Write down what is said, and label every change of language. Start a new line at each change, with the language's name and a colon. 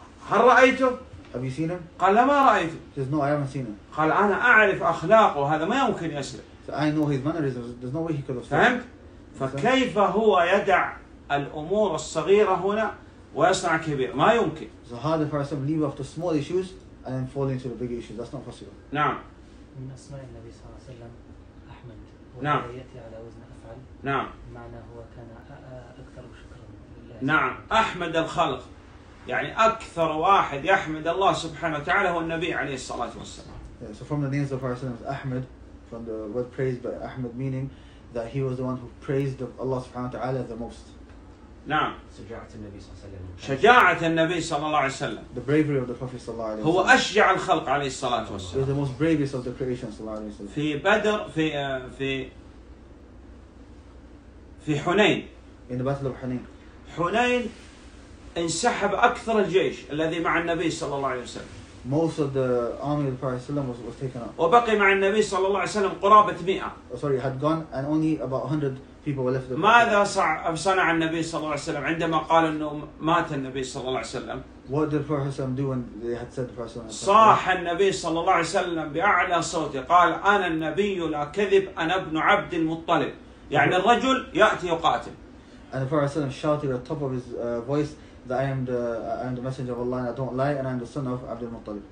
Arabic: هل رأيته?
English: Have you seen him?
Arabic: قال لا ما رأيته.
English: He says, no, I haven't seen him.
Arabic: قال أنا أعرف أخلاقه هذا ما يمكن يسرق.
English: So I know his mannerisms. There's no way he could have stolen.
Arabic: فهمت? فكيف هو يدع الأمور الصغيرة هنا ويصنع كبير? ما يمكن.
English: So how the person leave off the small issues and then fall into the big issues? That's not possible.
Arabic: نعم. من أسماء النبي صلى الله عليه وسلم أحمد. نعم. وليأتي على وزن أفعل. نعم. معنى هو كان أكثر شكرا لله. نعم. أحمد الخلق. يعني أكثر واحد يحمد الله سبحانه وتعالى هو النبي عليه الصلاة والسلام.
English: Yeah, so from the names of our sons, Ahmed, from the word praised by Ahmed, meaning that he was the one who praised Allah سبحانه وتعالى the most.
Arabic: نعم. شجاعة النبي صلى الله عليه وسلم. شجاعة النبي صلى الله عليه وسلم.
English: The bravery of the Prophet صلى الله عليه وسلم.
Arabic: هو أشجع الخلق عليه الصلاة والسلام.
English: He was the most bravest of the creation صلى الله عليه وسلم.
Arabic: في بدر في حنين.
English: In the battle of Hunain.
Arabic: حنين. انسحب أكثر الجيش الذي مع النبي صلى الله عليه وسلم.
English: Most of the army of the Prophet صلى الله عليه وسلم was taken out.
Arabic: وبقي مع النبي صلى الله عليه وسلم قرابة 100.
English: Oh, sorry, had gone and only about 100 people were left.
Arabic: ماذا صنع النبي صلى الله عليه وسلم عندما قال إنه مات النبي صلى الله عليه وسلم?
English: What did the Prophet صلى الله عليه وسلم do when they had said the Prophet صلى الله عليه وسلم?
Arabic: صاح النبي صلى الله عليه وسلم بأعلى صوته قال أنا النبي لا كذب أنا ابن عبد المطلب. يعني الرجل يأتي يقاتل.
English: And the Prophet صلى الله عليه وسلم shouted at the top of his voice that I am the messenger of Allah and I don't lie and I am the son of Abdul Muttalib.